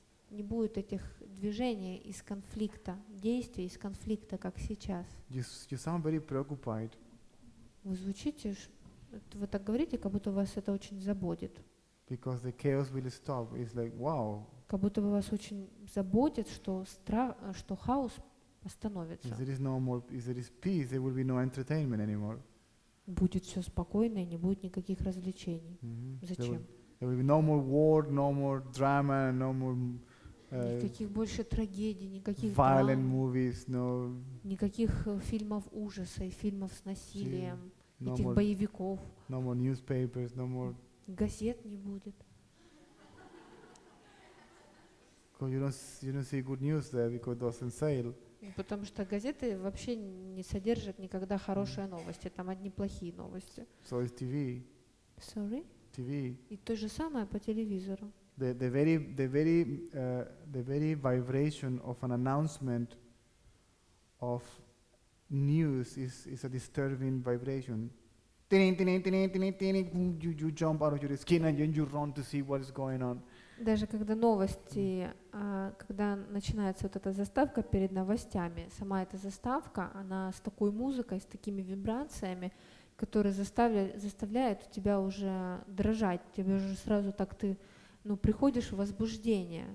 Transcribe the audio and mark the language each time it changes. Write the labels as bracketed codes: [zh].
[ru] Не будет этих движений из конфликта, действий из конфликта, как сейчас. [en] You sound very preoccupied. [ru] Вы звучите, вы так говорите, как будто вас это очень заботит. [en] Because the chaos will stop. It's like, wow. [ru] Как будто вас очень заботит, что страх, что хаос остановится. [en] If there is no more, if there is peace, there will be no entertainment anymore. [ru] Будет все спокойно, и не будет никаких развлечений. Mm-hmm. Зачем? [en] There will be no more war, no more drama, no more. [ru] Никаких больше трагедий, никаких [en] violent [ru] драм, [en] movies, no. [ru] Никаких фильмов ужаса и фильмов с насилием, никаких боевиков. [en] No more newspapers, no more. [ru] Газет не будет. [en] Because you don't see good news there because it doesn't sell. [ru] Потому что газеты вообще не содержат никогда хорошие новости, там одни плохие новости. [en] So it's TV. Sorry? TV. [ru] И то же самое по телевизору. [en] The very vibration of an announcement of news is a disturbing vibration. You jump out of your skin and then you run to see what is going on. [ru] Даже когда новости, когда начинается вот эта заставка перед новостями, сама эта заставка, она с такой музыкой, с такими вибрациями, которые заставляют тебя уже дрожать, тебе уже сразу так ты, ну, приходишь в возбуждение.